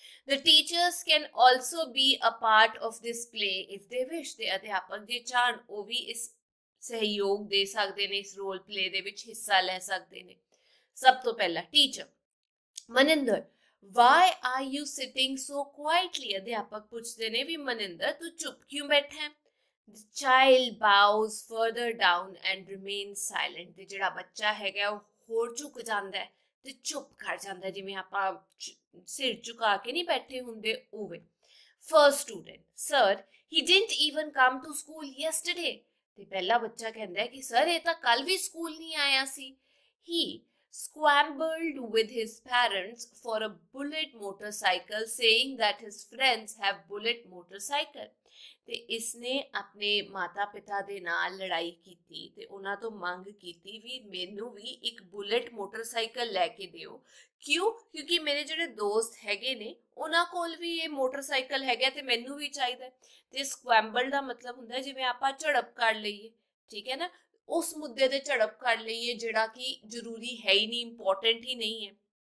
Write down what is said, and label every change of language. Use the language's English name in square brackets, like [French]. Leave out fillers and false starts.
[English] the teachers can also be a part of this play if they wish, [Punjabi] ਤੇ ਅਧਿਆਪਕ ਜੇ ਚਾਹਣ ਉਹ ਵੀ ਇਸ ਸਹਿਯੋਗ ਦੇ ਸਕਦੇ ਨੇ, ਇਸ ਰੋਲ ਪਲੇ ਦੇ ਵਿੱਚ ਹਿੱਸਾ ਲੈ ਸਕਦੇ ਨੇ। ਸਭ ਤੋਂ ਪਹਿਲਾਂ teacher Maninder, [English] why are you sitting so quietly, [Punjabi] ਅਧਿਆਪਕ ਪੁੱਛਦੇ ਨੇ ਵੀ ਮਨਿੰਦਰ ਤੂੰ ਚੁੱਪ ਕਿਉਂ ਬੈਠਾ। [English] child bows further down and remains silent. [Punjabi] ਤੇ ਜਿਹੜਾ ਬੱਚਾ ਹੈਗਾ ਉਹ ਹੋਰ ਝੁਕ ਜਾਂਦਾ ਹੈ ਤੇ ਚੁੱਪ ਕਰ ਜਾਂਦਾ, ਜਿਵੇਂ ਆਪਾਂ ਸਿਰ ਝੁਕਾ ਕੇ ਨਹੀਂ ਬੈਠੇ ਹੁੰਦੇ ਉਵੇਂ। [English] First student, sir, he didn't even come to school yesterday. [Punjabi] ਤੇ ਪਹਿਲਾ ਬੱਚਾ ਕਹਿੰਦਾ ਹੈ ਕਿ ਸਰ ਇਹ ਤਾਂ ਕੱਲ ਵੀ ਸਕੂਲ ਨਹੀਂ ਆਇਆ ਸੀ। [English] He squabbled with his parents for a bullet motorcycle, saying that his friends have bullet motorcycle. [Punjabi] ਤੇ ਇਸਨੇ ਆਪਣੇ ਮਾਤਾ ਪਿਤਾ ਦੇ ਨਾਲ ਲੜਾਈ ਕੀਤੀ ਤੇ ਉਹਨਾਂ ਤੋਂ ਮੰਗ ਕੀਤੀ ਵੀ ਮੈਨੂੰ ਵੀ ਇੱਕ ਬੁਲੇਟ ਮੋਟਰਸਾਈਕਲ ਲੈ ਕੇ ਦਿਓ। ਕਿਉਂ? ਕਿਉਂਕਿ ਮੇਰੇ ਜਿਹੜੇ ਦੋਸਤ ਹੈਗੇ ਨੇ ਉਹਨਾਂ ਕੋਲ ਵੀ ਇਹ ਮੋਟਰਸਾਈਕਲ ਹੈਗਾ ਤੇ ਮੈਨੂੰ ਵੀ ਚਾਹੀਦਾ। ਤੇ ਸਕੁਐਂਬਲ ਦਾ ਮਤਲਬ ਹੁੰਦਾ ਜਿਵੇਂ ਆਪਾਂ ਝੜਪ ਕਰ ਲਈਏ, ਠੀਕ ਹੈ ਨਾ, ਉਸ ਮੁੱਦੇ ਤੇ ਝੜਪ ਕਰ ਲਈਏ ਜਿਹੜਾ ਕਿ ਜ਼ਰੂਰੀ ਹੈ ਹੀ ਨਹੀਂ, ਇੰਪੋਰਟੈਂਟ ਹੀ ਨਹੀਂ ਹੈ।